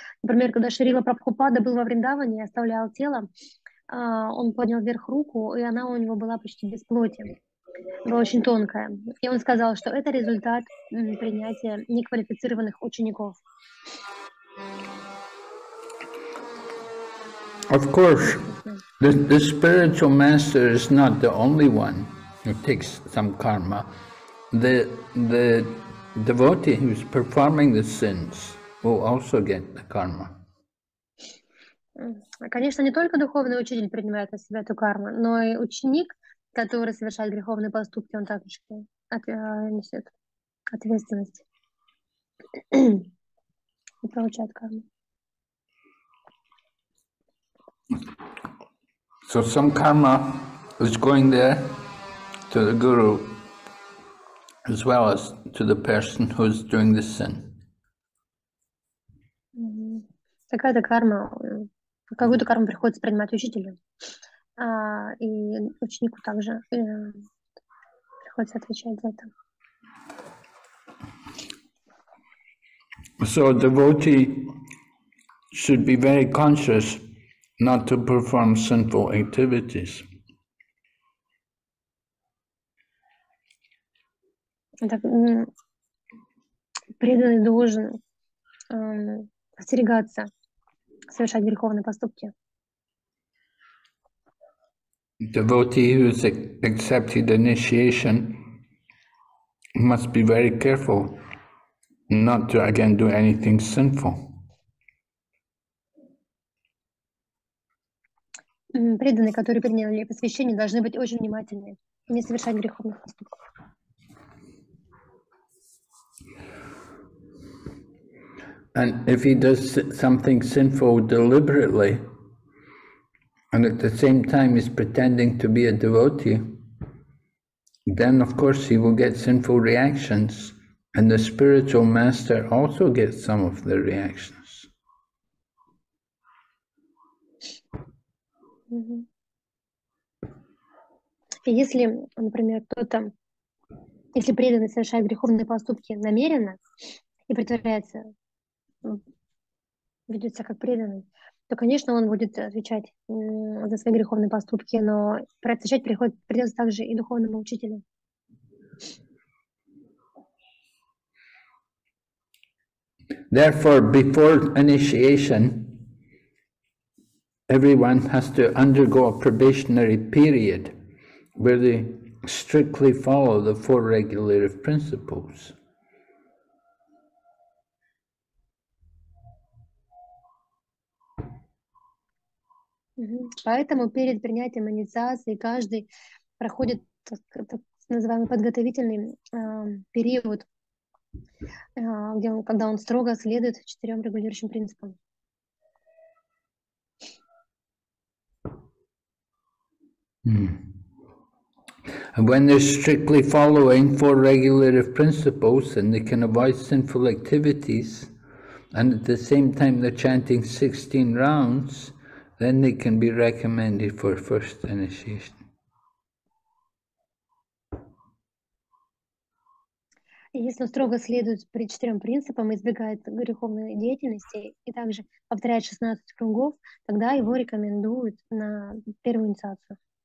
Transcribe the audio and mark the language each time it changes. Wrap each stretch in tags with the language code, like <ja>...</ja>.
<ru>Например, когда Шрила Прабхупада был во Вриндаване и оставлял тело, он поднял вверх руку, и она у него была почти без плоти, была очень тонкая. И он сказал, что это результат принятия неквалифицированных учеников.</ru> <en>Of course, the spiritual master is not the only one who takes some karma. The devotee who's performing the sins will also get the karma.</en> <ru>Конечно, не только духовный учитель принимает на себя эту карму, но и ученик, который совершает греховные поступки, он также несет ответственность и получает карму.</ru> <en>So some karma is going there to the guru as well as to the person who's doing the sin.</en> <ru>Какая-то карма, какую-то карму приходится принимать учителю, и ученику также приходится отвечать за это.</ru> <en>So a devotee should be very conscious not to perform sinful activities.</en> <ru>Так, преданный должен остерегаться совершать греховные поступки.</ru> <en>Devotee who has accepted initiation must be very careful not to again do anything sinful.</en> <ru>Преданные, которые приняли посвящение, должны быть очень внимательны и не совершать греховных поступков.</ru> <en>And if he does something sinful deliberately, and at the same time is pretending to be a devotee, then of course he will get sinful reactions, and the spiritual master also gets some of the reactions. Mm-hmm.</en> <ru>Если, например, кто-то, если преданный совершает греховные поступки намеренно и притворяется, ведет себя как преданный, то, конечно, он будет отвечать за свои греховные поступки, но отвечать придется также и духовному учителю.</ru> <en>Therefore, before initiation, everyone has to undergo a probationary period where they strictly follow the four regulative principles.</en> <ru>Поэтому перед принятием инициации каждый проходит так называемый подготовительный период, когда он строго следует четырем регулирующим принципам.</ru> <en>When they're strictly following four regulative principles and they can avoid sinful activities, and at the same time they're chanting 16 rounds, then they can be recommended for first initiation.</en> <ru>Если он строго следует при четырем принципам, избегает греховной деятельности и также повторяет 16 кругов, тогда его рекомендуют на первую инициацию.</ru>